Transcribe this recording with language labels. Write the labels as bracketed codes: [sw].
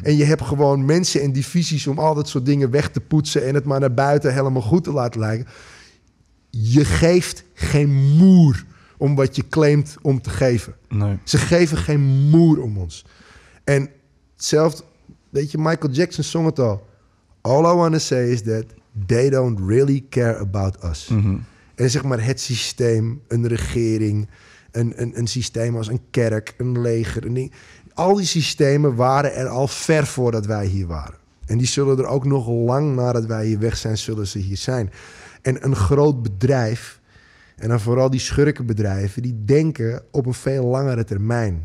[nl] En je hebt gewoon mensen en divisies om al dat soort dingen weg te poetsen en het maar naar buiten helemaal goed te laten lijken. Je geeft geen moer om wat je claimt om te geven. Nee. Ze geven geen moer om ons. En hetzelfde, weet je, Michael Jackson zong het al. [en] All I want to say is that they don't really care about us. Mm-hmm. [nl] En zeg maar het systeem, een regering, een systeem als een kerk, een leger. Een ding. Al die systemen waren er al ver voordat wij hier waren. En die zullen er ook nog lang nadat wij hier weg zijn, zullen ze hier zijn. En een groot bedrijf, en dan vooral die schurkenbedrijven, die denken op een veel langere termijn.